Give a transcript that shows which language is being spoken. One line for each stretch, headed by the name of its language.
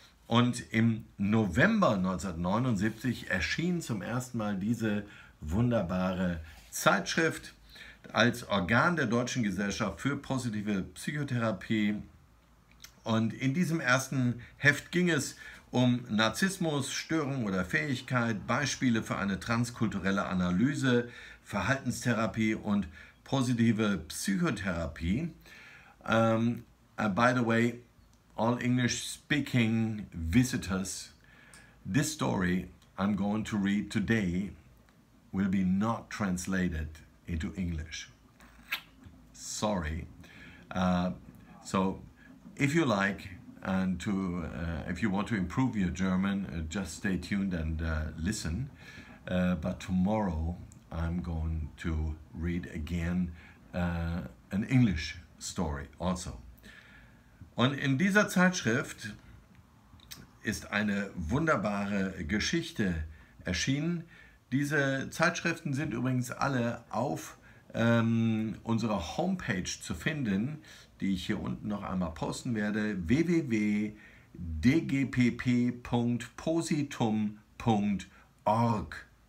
German: Und im November 1979 erschien zum ersten Mal diese wunderbare Zeitschrift als Organ der Deutschen Gesellschaft für positive Psychotherapie. Und in diesem ersten Heft ging es um Narzissmus, Störung oder Fähigkeit, Beispiele für eine transkulturelle Analyse, Verhaltenstherapie und positive Psychotherapie.
English: By the way, all English speaking visitors, this story I'm going to read today will be not translated into English. Sorry. So if you like, and to if you want to improve your German, just stay tuned and listen. But tomorrow I'm going to read again an English story also.
German: Und in dieser Zeitschrift ist eine wunderbare Geschichte erschienen. Diese Zeitschriften sind übrigens alle auf unserer Homepage zu finden, die ich hier unten noch einmal posten werde, www.dgpp.positum.org.